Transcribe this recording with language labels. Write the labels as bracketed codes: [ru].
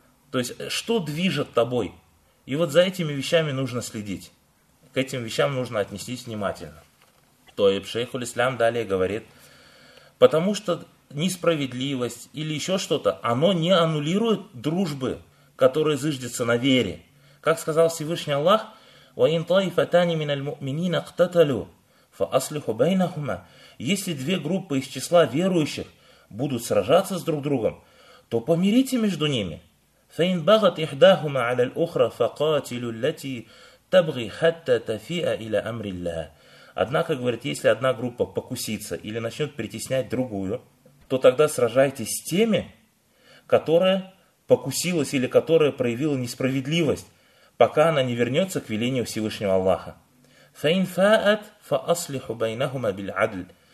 [ru] То есть, что движет тобой? И вот за этими вещами нужно следить. К этим вещам нужно отнестись внимательно. То и шейх аль-Ислам далее говорит, потому что несправедливость или еще что-то, оно не аннулирует дружбы, которая зыждется на вере. Как сказал Всевышний Аллах, [ar] وَإِنْ طَائِفَتَانِ مِنَ الْمُؤْمِنِينَ اقْتَتَلُوا فَأَصْلِحُوا بَيْنَهُمَا. [ru] Если две группы из числа верующих будут сражаться с друг другом, то помирите между ними. [ar] فإن بغت إحداهما على الأخرى فقاتلوا التي تبغي حتى تفيء إلى أمر الله. [ru] Однако, говорит, если одна группа покусится или начнет притеснять другую, то тогда сражайтесь с теми, которая покусилась или которая проявила несправедливость, пока она не вернется к велению Всевышнего Аллаха. [ar] فَإِنْ فَاءَتْ فَأَصْلِحُ بَيْنَهُمَا بِالْعَدْلِ.